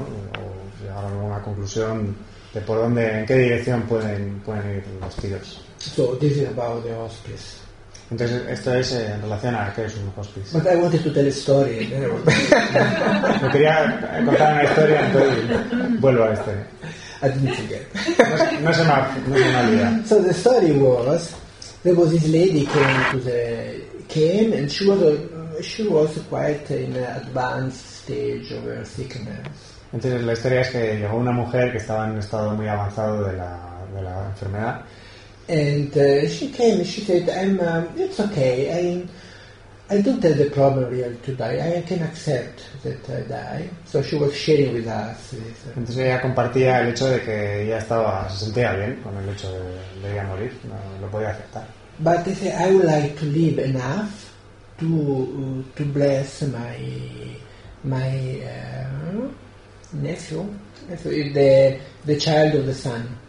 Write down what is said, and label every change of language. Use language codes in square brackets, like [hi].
[es] O llegar a alguna conclusión de por dónde, en qué dirección pueden ir los tiros. [en] So this is about the hospice. [es] Entonces esto es en relación a qué es un hospice. [en] But I wanted to tell a story. [es] Me quería contar una historia, entonces vuelvo a la historia. [en] I didn't forget. [es] No se me olvida. [en] So the story was there was this lady came and she was quite in an advanced stage of her sickness. [es] Entonces la historia es que llegó una mujer que estaba en un estado muy avanzado de la enfermedad. [en] And she came and she said, it's okay. I don't have the problem really to die. I can accept that I die." So she was sharing with us. [es] Entonces ella compartía el hecho de que ella se sentía bien con el hecho de ella morir, no, lo podía aceptar. [en] But she said, "I would like to live enough to bless my nephew, the child of the son.